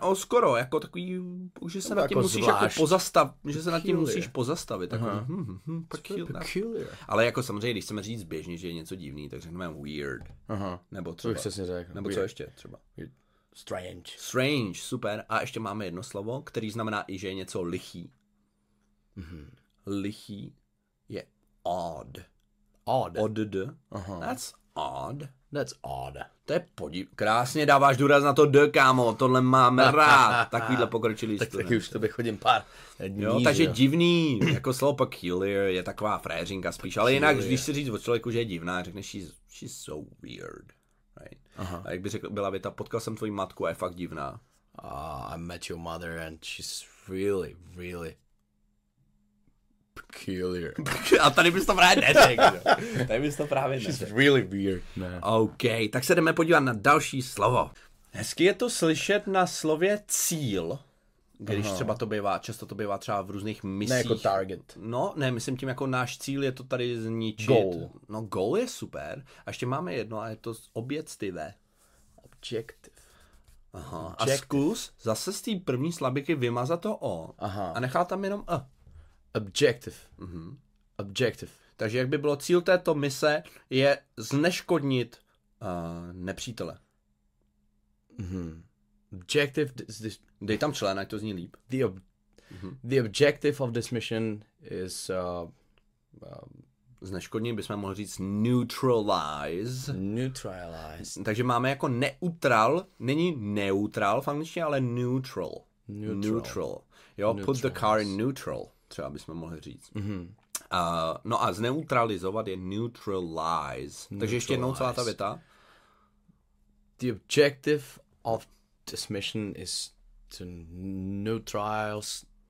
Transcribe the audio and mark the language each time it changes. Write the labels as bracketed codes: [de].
[cs] No. O, skoro, jako takový, že se nad tím jako musíš jako pozastavit. Že se nad tím musíš pozastavit. Tak [en] peculiar. [cs] Ale jako samozřejmě, když chceme říct běžně, že je něco divný, tak řekneme weird. Aha. Nebo třeba. Se si řekl. Nebo weird. Co ještě třeba. [en] Strange. Strange, super. [cs] A ještě máme jedno slovo, který znamená i, že je něco lichý. Lichý je odd. [en] Odd. Odd. Aha. That's odd. That's odd. [cs] To je krásně dáváš důraz na to d, kámo, tohle mám rád. Takovýhle pokročilý studenta. Tak taky už to by chodím pár dní. Jo, takže jo. Divný, jako slovo peculiar je taková fréřinka spíš, peculiar. Ale jinak, když si říct o člověku, že je divná, řekneš, [en] she's so weird. Right? Aha. [cs] A jak by řekl, byla věta, potkal jsem tvoji matku a je fakt divná. [en] I met your mother and she's really, really peculiar. [cs] A tady bys to právě neřekl. Tady bys to právě neřekl. [en] She's really weird, man. [cs] OK, tak se jdeme podívat na další slovo. Hezky je to slyšet na slově cíl, když třeba to bývá, často to bývá třeba v různých misích. Ne jako target. No, ne, myslím tím jako náš cíl je to tady zničit. [en] Goal. [cs] No, goal je super. A ještě máme jedno a je to objektivé. [en] Objective. Aha. [cs] Objective. A zkus zase z té první slabiky vymazat to O. Aha. A nechal tam jenom A. [en] Objective. Mhm. Objective. [cs] Takže jak by bylo, cíl této mise je zneškodnit nepřítele. [en] Mhm. Objective. [cs] Dej tam člena, jak to zní líp. [en] The objective of this mission is... [cs] Zneškodní bychom mohli říct neutralize. [en] Neutralize. [cs] Takže máme jako neutral, není neutral v angličtině, ale neutral. [en] Neutral. Neutral. Jo, neutral. Put the car in neutral, [cs] třeba bychom mohli říct. Mm-hmm. No a zneutralizovat je neutralize. Neutralize. Takže ještě jednou celá ta věta. [en] The objective of... This mission is to neutralize.